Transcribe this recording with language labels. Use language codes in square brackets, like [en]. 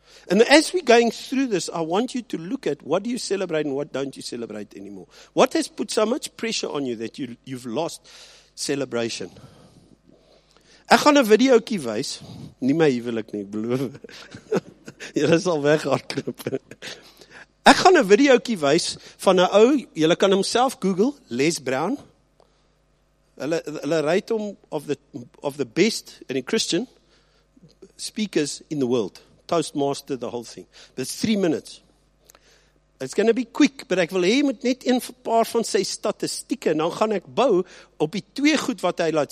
[en] And as we're going through this, I want you to look at what do you celebrate and what don't you celebrate anymore. What has put so much pressure on you that you've lost celebration? [af] Ek gaan 'n videoetjie wys. Nie my huwelik nie, beloof. Julle sal weghardloop. Ek gaan 'n videoetjie wys van 'n ou, julle kan homself Google, Les Brown. Hulle rate hom [en] of the best in a Christian speakers in the world. Toastmaster, the whole thing. But it's 3 minutes. It's going to be quick, but [af] ek wil hê moet net een paar van sy statistieke, en dan gaan ek bou op die twee goed wat hy laat.